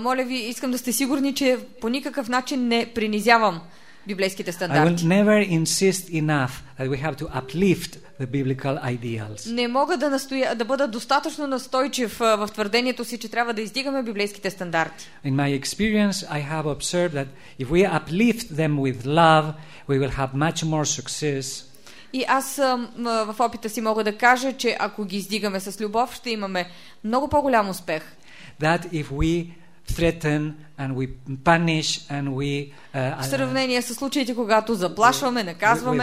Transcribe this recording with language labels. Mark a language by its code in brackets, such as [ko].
[bg] Моля ви, искам да сте сигурни, че по никакъв начин не принизявам библейските стандарти. [en] I will never insist enough that we have to uplift the biblical ideals. [bg] Не мога да настоя да бъда достатъчно настойчив в твърдението си, че трябва да издигаме библейските стандарти. [en] In my experience, I have observed that if we uplift them with love, we will have much more success. [bg] И аз в опита си мога да кажа, че ако ги издигаме с любов, ще имаме много по-голям успех. [en] That if we threaten and we punish and we [bg] в сравнение с случаите, когато заплашваме, наказваме,